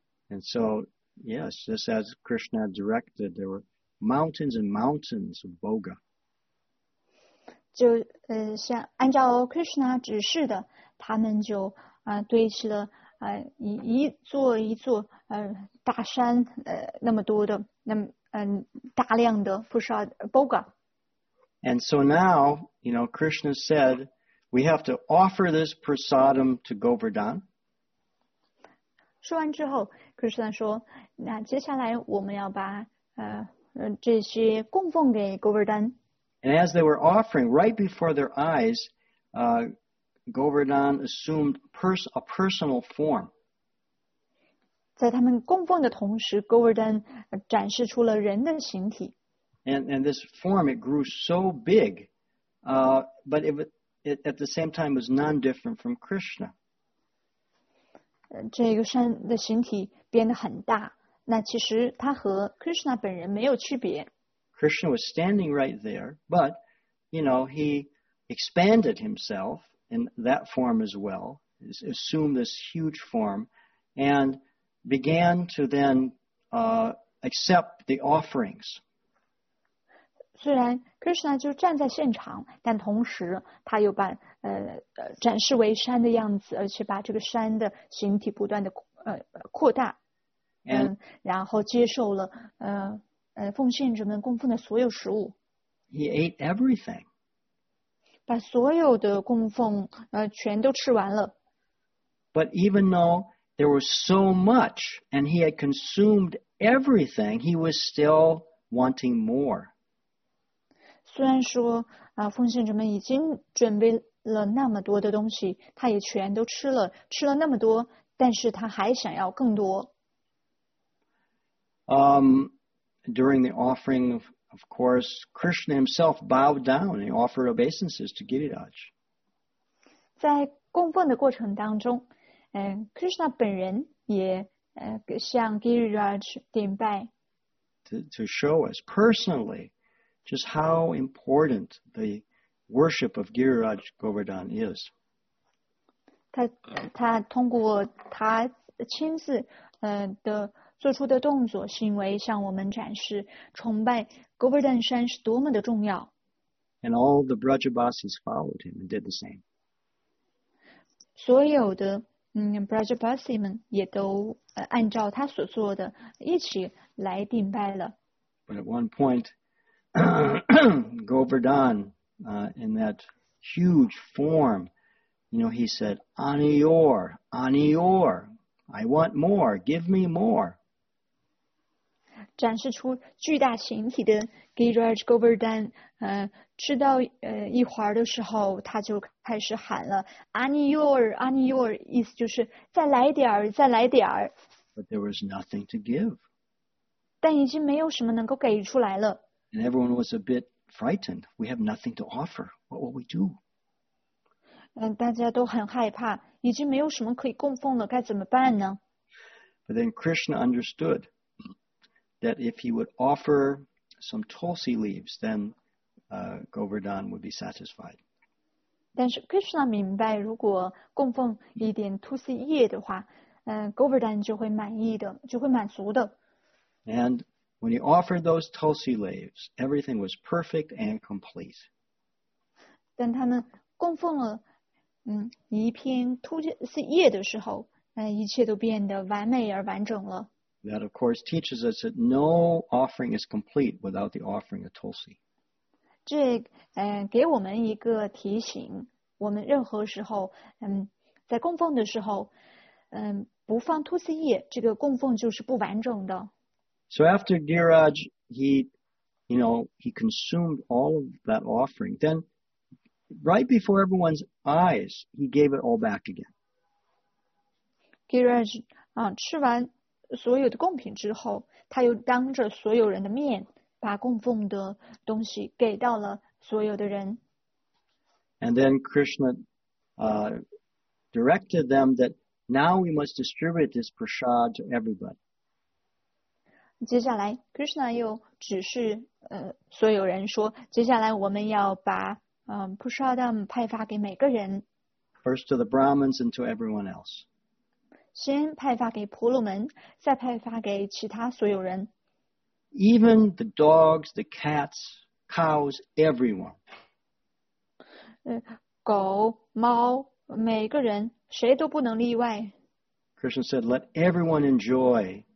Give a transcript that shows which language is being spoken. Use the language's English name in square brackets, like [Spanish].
[English] And so, yes, just as Krishna directed, there were mountains and mountains of bhoga. [Chinese] 就像按照 Krishna 指示的，他们就堆起了一座一座大山那么多的那么大量的 Prasad Bhoga。 [English] And so now, you know, Krishna said, we have to offer this prasadam to Govardhan. [Chinese] 说完之后 ，Krishna 说，那接下来我们要把这些供奉给 Govardhan。 [English] And as they were offering, right before their eyes, Govardhan assumed a personal form. [Chinese] 在他们供奉的同时 ，Govardhan 展示出了人的形体。 [English] And this form it grew so big, but it at the same time was none different from Krishna. [Chinese] 这个山的形体变得很大，那其实它和 Krishna 本人没有区别。 [English] Krishna was standing right there, but, you know, he expanded himself in that form as well, assumed this huge form, and began to then accept the offerings. [Chinese] 虽然 Krishna 就站在现场，但同时他又把展示为山的样子，而且把这个山的形体不断的扩大，然后接受了奉献者们供奉的所有食物。 [English] He ate everything. [Chinese] 把所有的供奉全都吃完了。 [English] But even though there was so much and he had consumed everything, he was still wanting more. [Chinese] 虽然说奉献者们已经准备了那么多的东西，他也全都吃了，吃了那么多，但是他还想要更多。 [English] During the offering, of course, Krishna himself bowed down and offered obeisances to Giriraj. [Chinese] 在供奉的过程当中，Krishna 本人也向 Giriraj 顶拜。 [English] To show us personally just how important the worship of Giriraj Govardhan is. [Chinese] 他通过他亲自的做出的动作行为向我们展示崇拜 Govardhan 山是多么的重要。 [English] And all the Brajabasis followed him and did the same. [Chinese] 所有的Brajapasi 们也都按照他所做的一起来顶拜了。 [English] But at one point, Govardhan, in that huge form, you know, he said, Anior, Anior, I want more, give me more. [Chinese] 展示出巨大形体的 Giriraj Govardhan, 吃到一会儿的时候他就开始喊了 Anior, Anior, 意思就是再来点儿，再来点儿。 [English] But there was nothing to give. [Chinese] 但已经没有什么能够给出来了。 [English] And everyone was a bit frightened. We have nothing to offer. What will we do? [Chinese] 大家都很害怕，已经没有什么可以供奉了，该怎么办呢？ [English] But then Krishna understood that if he would offer some tulsi leaves, then Govardhan would be satisfied. [Chinese] 但是 Krishna 明白，如果供奉一点 tulsi 叶的话，Govardhan 就会满意的，就会满足的。 [English] And when he offered those tulsi leaves, everything was perfect and complete. [Chinese] 但他们供奉了一片 tulsi 叶的时候，一切都变得完美而完整了。 [English] That of course teaches us that no offering is complete without the offering of tulsi. [Chinese] 这给我们一个提醒，我们任何时候在供奉的时候不放 tulsi 叶，这个供奉就是不完整的。 [English] So after Giriraj, he consumed all of that offering. Then, right before everyone's eyes, he gave it all back again. [Chinese] Giriraj, 吃完所有的贡品之后，他又当着所有人的面，把供奉的东西给到了所有的人。 [English] And then Krishna, directed them that now we must distribute this prasad to everybody. [Chinese] 接下来 Krishna 又指示所有人说，接下来我们要把Prasadam 派发给每个人。 [English] First to the Brahmins and to everyone else. [Chinese] 先派发给婆罗门，再派发给其他所有人。 [English] Even the dogs, the cats, cows, everyone. [Chinese] 狗、猫，每个人，谁都不能例外。 [English] Krishna said, let everyone enjoy.